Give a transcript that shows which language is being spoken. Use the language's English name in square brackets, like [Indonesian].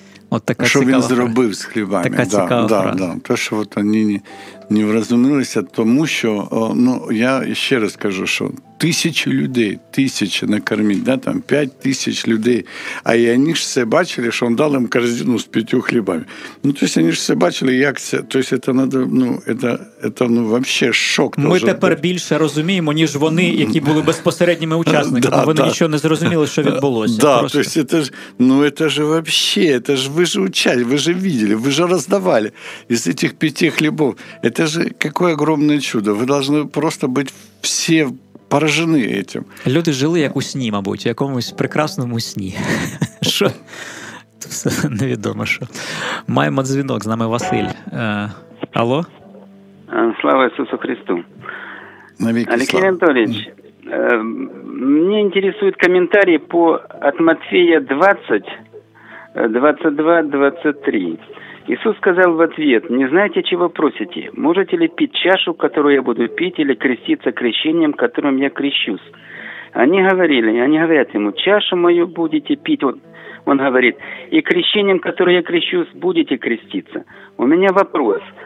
[Ukrainian] От така цікава. Що він зробив з хлібами. Така цікава фраза. [Russian] Да. [Ukrainian] Те, що от вони не вразумилися, тому що, ну, я ще раз кажу, що тисячі людей, тисячі [Russian] накормить, [Ukrainian] да, там 5000 людей, а і вони ж все бачили, що він дав їм корзину з 5 хлібами. [Russian] Ну, то есть [Ukrainian] вони ж все бачили, як це, [Russian] то есть это надо, ну, это ну, вообще шок. [Ukrainian] Ми тепер більше розуміємо, ніж вони, які були безпосередніми учасниками, да, вони нічого не зрозуміли, що відбулося. [Russian] Да, просто. То есть это ж, ну, это же вообще, это ж [Ukrainian] ви ж учасники, [Russian] ви ж видели, [Ukrainian] ви ж роздавали із цих 5 хлібов. [Russian] Это же какое огромное чудо. Ви должны просто быть все поражены этим. [Ukrainian] Люди жили як у сні, мабуть, в якомусь прекрасному сні. Що? Все невідомо, що. Маємо дзвінок, з нами Василь. Алло? Слава Ісусу Христу. Навіки слава. Алексей Анатольевич, мені інтересують коментарі по от Матфея 20, 22-23. [Russian] Иисус сказал в ответ, «Не знаете, чего просите? Можете ли пить чашу, которую я буду пить, или креститься крещением, которым я крещусь?» Они говорили, они говорят ему, «Чашу мою будете пить?» Он говорит, «И крещением, которым я крещусь, будете креститься?» У меня вопрос.